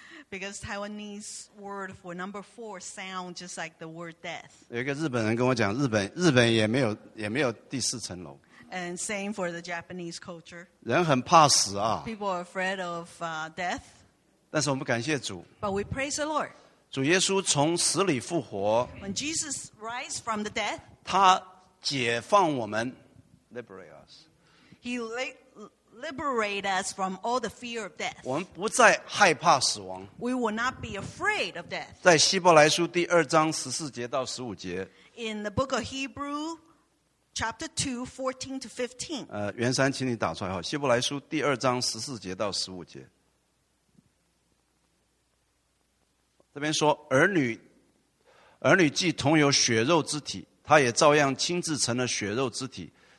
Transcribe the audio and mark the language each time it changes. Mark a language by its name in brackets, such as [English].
[English] Because Taiwanese word for number four sounds just like the word death. [Chinese] 有一个日本人跟我讲，日本也没有第四层楼。 [English] And same for the Japanese culture. [Chinese] 人很怕死啊。 [English] People are afraid of death. [Chinese] 但是我们感谢主。 [English] But we praise the Lord. [Chinese] 主耶稣从死里复活。 [English] When Jesus rise from the death. [Chinese] 他解放我们。 [English] Liberate us. He liberate us from all the fear of death. [Chinese] 我们不再害怕死亡。 [English] We will not be afraid of death. [Chinese] 在希伯来书第二章14节到15节。 [English] In the book of Hebrew, chapter 2, 14 to 15. [Chinese] 袁山请你打出来。希伯来书第二章14节到15节。这边说, 儿女既同有血肉之体, 他也照样亲自成了血肉之体。